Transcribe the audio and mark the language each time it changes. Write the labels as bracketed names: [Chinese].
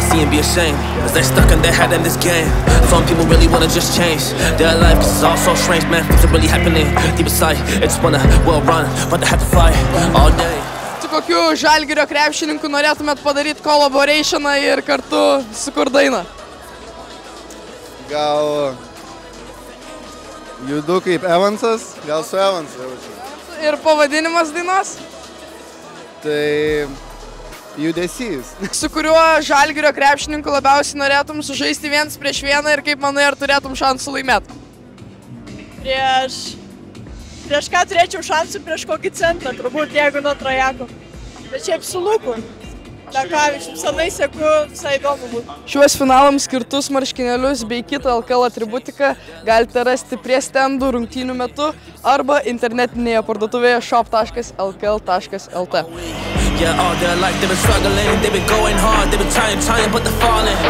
[English] Be ashamed, cause they're stuck in their head in this game. Some people really wanna just change their life, cause it's all so strange, man. Things are really happening deep inside. It's wanna well run, but they have to fight all day. [Lithuanian] Su kokiu Žalgirio krepšininku norėtumėt padaryt collaborationą ir kartu sukur dainą? Gal judu kaip Evansas, gal su Evansu jaučiu. Ir pavadinimas dainos? Tai judesys. Su kuriuo Žalgirio krepšininku labiausiai norėtum sužaisti vienas prieš vieną ir kaip manai, ar turėtum šansų laimėt? Prieš ką turėčiau šansų? Prieš kokį centrą, turbūt, jeigu nuo trajako. Bet šiaip su Luku. Dakavičiu, senai sėku, visai įdomu būtų. Šiuos finalams skirtus marškinėlius bei kitą LKL atributiką galite rasti prie stendų rungtynių metu arba internetinėje parduotuvėje shop.lkl.lt. [English] Yeah, all their life they've been struggling, they've been going hard, they've been trying, but they're falling.